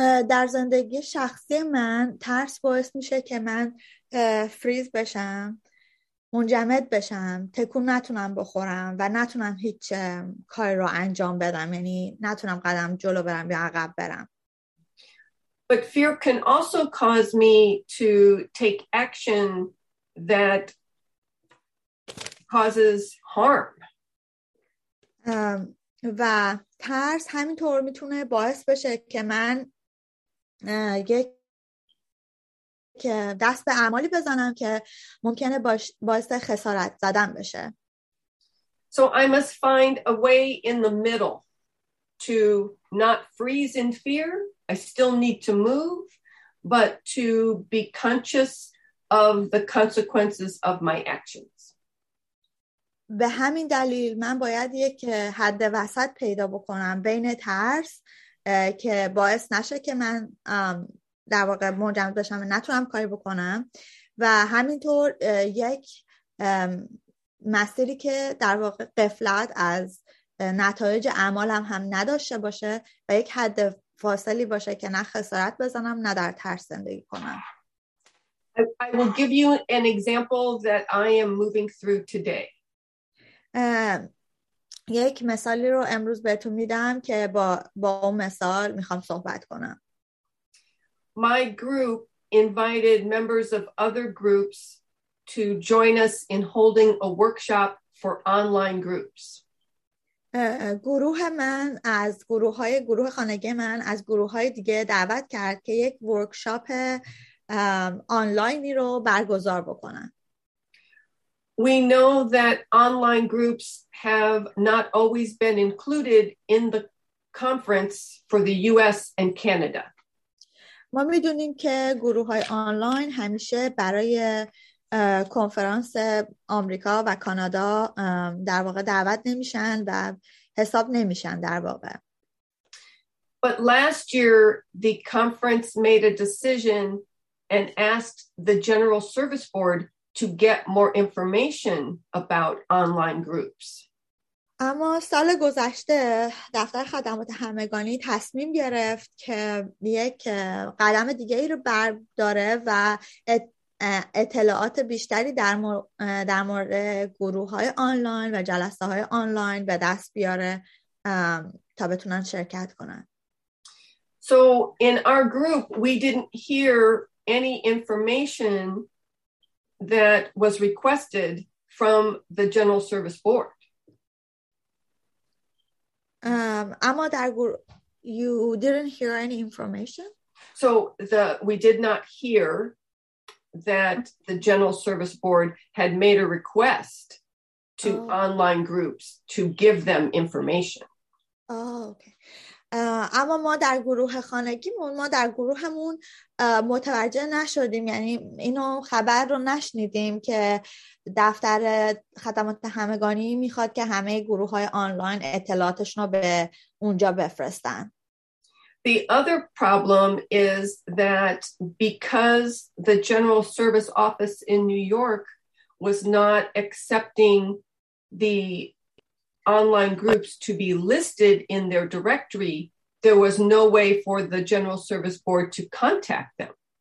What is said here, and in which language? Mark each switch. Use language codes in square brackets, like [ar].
[fa] در زندگی شخصی من ترس باعث میشه که من فریز بشم منجمد بشم تکون نتونم بخورم و نتونم هیچ کاری رو انجام بدم یعنی نتونم قدم جلو برم یا عقب برم [en] But fear can also cause me to take action that causes harm [fa] و ترس همینطور میتونه باعث بشه که من که دست به اعمالی بزنم که ممکنه باعث خسارت زدن بشه. [en] So I must find a way in the middle to not freeze in fear. I still need to move, but to be conscious of the consequences of my actions. [fa] به همین دلیل من باید یک حد وسط پیدا بکنم بین ترس که باعث نشه که من در واقع منجمد بشم و نتونم کاری بکنم و همینطور یک مسیری که در واقع غفلت از نتایج اعمالم هم نداشته باشه و یک حد فاصلی باشه که نه خسارت بزنم نه در ترس زندگی کنم. [en] I will give you an example that I am moving through today. [fa] یک مثالی رو امروز بهتون میدم که با اون مثال میخوام صحبت کنم. [en] My group invited members of other groups to join us in holding a workshop for online groups. [fa] گروه من از گروه‌های گروه خانگی من از گروه‌های دیگه دعوت کرد که یک ورکشاپ آنلاینی رو برگزار بکنن. [en] We know that online groups have not always been included in the conference for the US and Canada. [fa] ما میدونیم که گروه‌های آنلاین همیشه برای کنفرانس آمریکا و کانادا در واقع دعوت نمیشن و حساب نمیشن در واقع. [en] But last year the conference made a decision and asked the General Service Board to get more information about online groups. [fa] اما سال گذشته دفتر خدمات همگانی تصمیم گرفت که یک قدم دیگه ای رو برداره و اطلاعات بیشتری در مورد گروه های آنلاین و جلسه های آنلاین به دست بیاره تا بتونن شرکت کنن. [en] So in our group we didn't hear any information that was requested from the General Service Board. [fa] اما در [en] you didn't hear any information? So we did not hear that the General Service Board had made a request to online groups to give them information. Oh, okay. [fa] اما ما در گروه خانگیمون ما در گروهمون متوجه نشدیم، یعنی اینو خبر رو نشنیدیم که دفتر خدمات همگانی میخواد که همه گروه های آنلاین اطلاعاتشون رو به اونجا بفرستن. [en] The other problem is that because the General Service Office in New York was not accepting the online groups to be listed in their directory, there was no way for the General Service Board to contact them.